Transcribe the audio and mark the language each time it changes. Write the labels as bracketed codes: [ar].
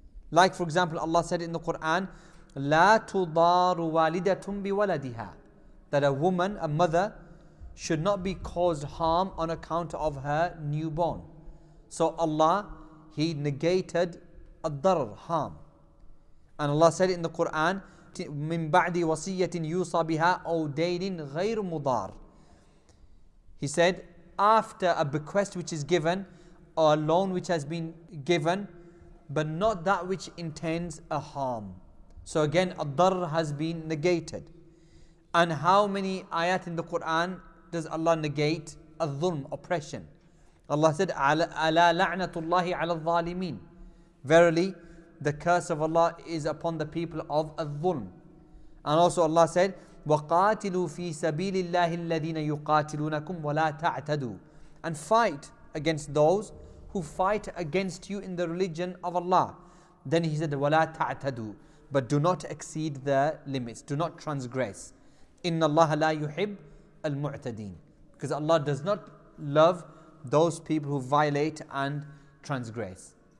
[en] Like for example, Allah said in the Quran, [ar] لا تضار والدتم بولدها, [en] that a woman, a mother, should not be caused harm on account of her newborn. So Allah, He negated الضرر, harm. And Allah said in the Quran, [ar] من بعد وصية يوصى بها أو دين غير مضار. [en] He said, after a bequest which is given, or a loan which has been given, but not that which intends a harm. So again, الضرر has been negated. And how many ayat in the Quran does Allah negate الظلم, oppression? Allah said, [ar] أَلَا لَعْنَةُ اللَّهِ عَلَى الظَّالِمِينَ. [en] Verily, the curse of Allah is upon the people of الظلم. And also Allah said, [ar] وَقَاتِلُوا فِي سَبِيلِ اللَّهِ الَّذِينَ يُقَاتِلُونَكُمْ وَلَا تَعْتَدُوا. [en] And fight against those who fight against you in the religion of Allah. Then he said, [ar] وَلَا تَعْتَدُوا. [en] But do not exceed the limits. Do not transgress. [ar] إِنَّ اللَّهَ لَا يُحِبُّ الْمُعْتَدِينَ. [en] Because Allah does not love those people who violate and transgress.